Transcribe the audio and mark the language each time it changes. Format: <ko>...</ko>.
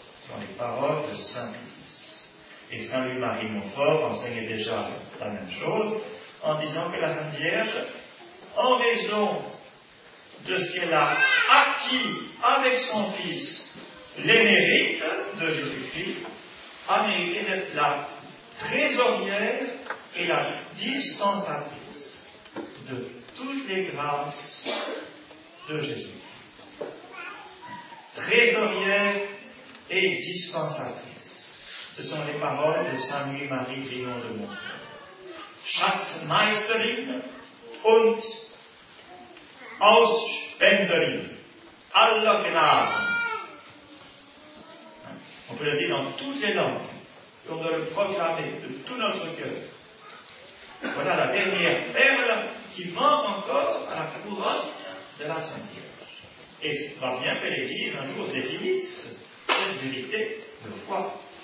<fr>Dans les paroles de Saint-Pédis. Et Saint-Louis-Marie Montfort enseignait déjà la même chose en disant que la Sainte Vierge, en raison de ce qu'elle a acquis avec son Fils, les mérites de Jésus-Christ, a mérité d'être la trésorière et la dispensatrice de toutes les grâces de Jésus-Christ. Trésorière et dispensatrice. Ce sont les paroles de Saint-Louis-Marie Grillon de Montfort.</fr> <de>Schatzmeisterin und Ausspenderin aller Gnaden.</de> <fr>On peut le dire dans toutes les langues, et on doit le proclamer de tout notre cœur. Voilà la dernière perle qui manque encore à la couronne de la Sainte Vierge. Et il va bien que l'Église un jour définisse cette vérité de foi.</fr>